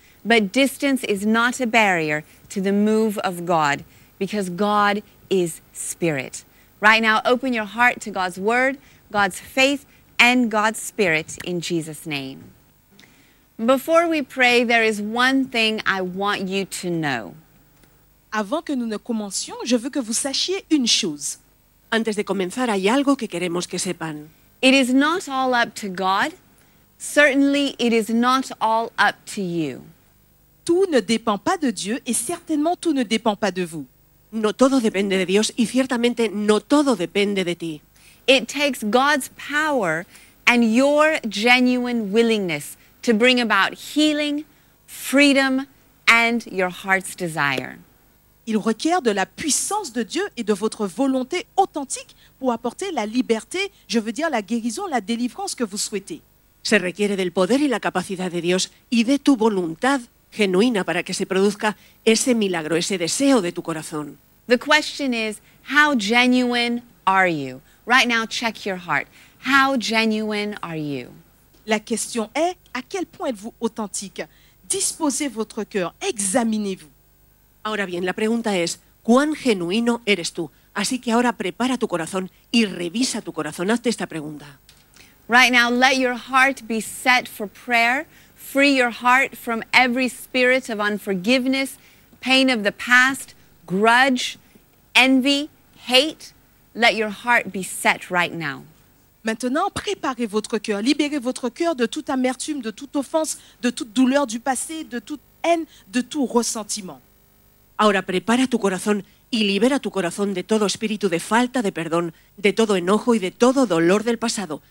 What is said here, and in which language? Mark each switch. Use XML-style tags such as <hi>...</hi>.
<en>But distance is not a barrier to the move of God because God is spirit. Right now, open your heart to God's word, God's faith, and God's spirit in Jesus' name. Before we pray, there is one thing I want you to know.</en> <fr>Avant que nous ne commencions, je veux que vous sachiez une chose.</fr> <es>Antes de comenzar, hay algo que queremos que sepan.</es> <en>It is not all up to God. Certainly, it is not all up to you.</en> <fr>Tout ne dépend pas de Dieu et certainement tout ne dépend pas de vous.</fr> <es>No todo depende de Dios y ciertamente no todo depende de ti.</es> <en>It takes God's power and your genuine willingness to bring about healing, freedom, and your heart's desire.</en> <fr>Il requiert de la puissance de Dieu et de votre volonté authentique pour apporter la liberté, je veux dire la guérison, la délivrance que vous souhaitez.</fr> <es>Se requiere del poder y la capacidad de Dios y de tu voluntad genuina para que se produzca ese milagro, ese deseo de tu corazón.</es> <en>The question is, how genuine are you? Right now, check your heart. How genuine are you?</en> <fr>La question est, à quel point êtes-vous authentique? Disposez votre cœur, examinez-vous.</fr> <es>Ahora bien, la pregunta es, ¿cuán genuino eres tú? Así que ahora prepara tu corazón y revisa tu corazón. Hazte esta pregunta.</es> <en>Right now, let your heart be set for prayer. Free your heart from every spirit of unforgiveness, pain of the past, grudge, envy, hate. Let your heart be set right now.</en> <fr>Maintenant, préparez votre cœur, libérez votre cœur de toute amertume, de toute offense, de toute douleur du passé, de toute haine, de tout ressentiment.</fr> <es>Ahora prepara tu corazón y libera tu corazón de todo espíritu de falta de perdón, de todo enojo y de todo dolor del pasado.</es>